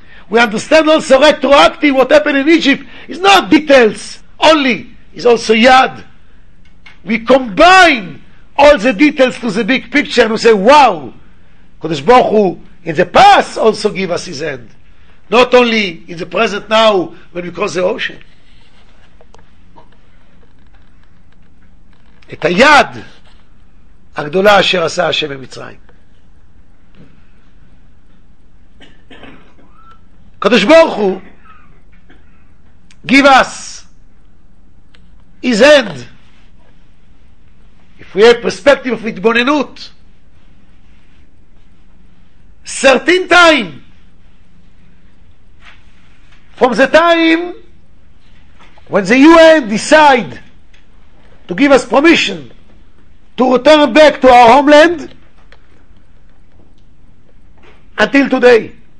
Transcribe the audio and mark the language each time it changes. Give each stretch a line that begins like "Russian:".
English: We understand also retroactive what happened in Egypt. It's not details only, it's also Yad. We combine all the details to the big picture and we say, wow, Kodesh Baruch Hu in the past also give us his end. Not only in the present now when we cross the ocean.
Hebrew: את היד הגדולה אשר עשה השם במצרים.
English: קדוש ברוך הוא give us his hand. If we have perspective of התבוננות, 13 time from the time when the UN decide to give us permission to return back to our homeland until today.